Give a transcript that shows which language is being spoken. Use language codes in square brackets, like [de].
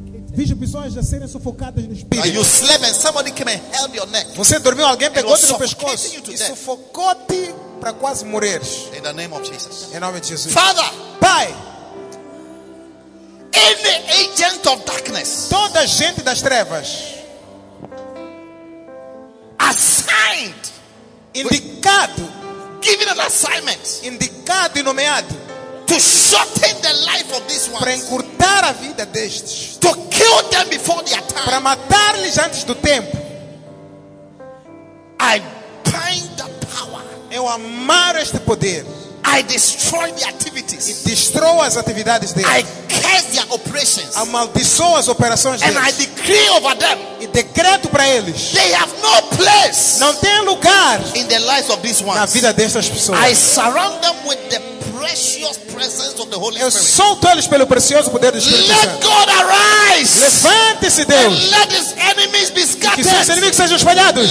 [pt] Vejo pessoas já serem sufocadas no espírito. [en] You slept and somebody came and held your neck. [pt] Você dormiu, alguém pegou-te no pescoço e sufocou-te para quase morrer. [en] In the name of Jesus. [pt] Em nome de Jesus. [en] Father, [pt] Pai. [en] Any agent of darkness. [pt] Toda gente das trevas. [en] Assigned. [pt] Indicado. [en] Given an assignment, [pt] indicado e nomeado, [en] to shorten the life of this one, [pt] para encurtar a vida destes, [en] to kill them before their time, [pt] para matar-lhes antes do tempo. [en] I bind the power, [pt] eu amarro este poder. [en] I destroy the activities, [pt] destruo as atividades deles. [en] I curse their operations. [pt] Amaldiçoa as operações deles. [en] And I decree over them. [pt] E decreto para eles. [en] They have no place. [pt] Não tem lugar. [en] In the lives of these ones. [pt] Na vida dessas pessoas. [en] I surround them with the precious presence of the Holy Spirit. [pt] Eu solto eles pelo precioso poder do Espírito Santo. [en] Let God arise. [pt] Levante-se Deus. [en] And let His enemies be scattered. [pt] Que seus inimigos sejam espalhados.